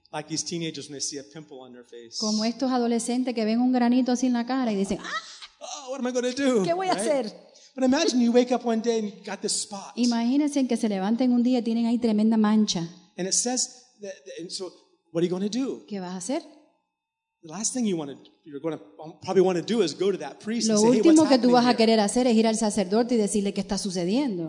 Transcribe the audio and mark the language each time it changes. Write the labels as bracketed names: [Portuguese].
[English] Like these teenagers when they see a pimple on their face. [Spanish] Como estos adolescentes que ven un granito así en la cara y dicen, ¡ah! [English] Oh, what am I going to do? [Spanish] ¿Qué voy a hacer? [English] But imagine you wake up one day and you got this spot. [Spanish] Imagínense que se levanten un día y tienen ahí tremenda mancha. [English] And it says, so what are you going to do? [Spanish] ¿Qué vas a hacer? [English] The last thing you're going to probably want to do is go to that priest and say, hey, what's happening? [Spanish] Lo último que tú vas a querer hacer es ir al sacerdote y decirle qué está sucediendo.